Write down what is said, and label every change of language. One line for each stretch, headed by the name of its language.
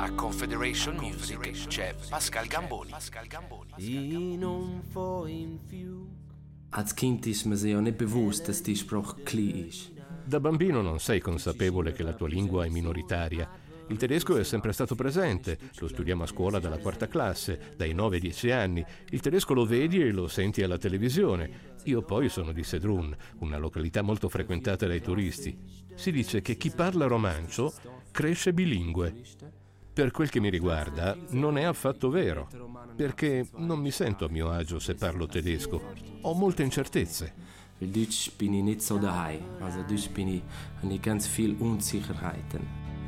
Italian: Federation Music, c'è Pascal Gamboni. In un fo in più.
German: Als Kind ist man sich ja nicht bewusst, dass die Sprache klein ist.
Italian: Da bambino non sei consapevole che la tua lingua è minoritaria. Il tedesco è sempre stato presente, lo studiamo a scuola dalla quarta classe, dai 9-10 anni. Il tedesco lo vedi e lo senti alla televisione. Io poi sono di Sedrun, una località molto frequentata dai turisti. Si dice che chi parla romancio cresce bilingue. Per quel che mi riguarda, non è affatto vero, perché non mi sento a mio agio se parlo tedesco. Ho molte incertezze.
German: Il Deutsch bin ich nicht so daheim, also Deutsch bin ich nicht ganz viel Unsicherheiten.